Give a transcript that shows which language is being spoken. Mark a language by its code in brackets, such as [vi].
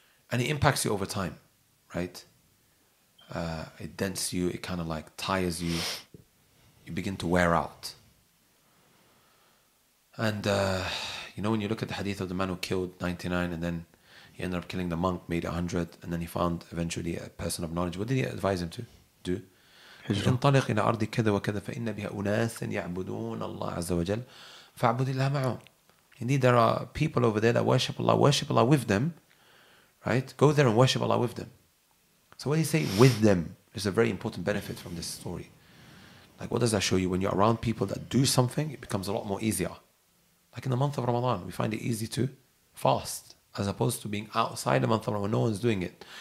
[en] And it impacts you over time, right? It dents you, it kind of like tires you. You begin to wear out. And when you look at the hadith of the man who killed 99 and then He ended up killing the monk, made 100, and then he found eventually a person of knowledge. What did he advise him to do? [ar] انطلق إلى أرض كذا وكذا فإن بها أناس يعبدون الله عز وجل فاعبد الله معهم. [en] Indeed, there are people over there that worship Allah. Worship Allah with them, right? Go there and worship Allah with them. So what do you say with them? There's a very important benefit from this story. Like, what does that show you? When you're around people that do something, it becomes a lot more easier. Like in the month of Ramadan, we find it easy to fast as opposed to being outside the month of Ramadan when no one's doing it.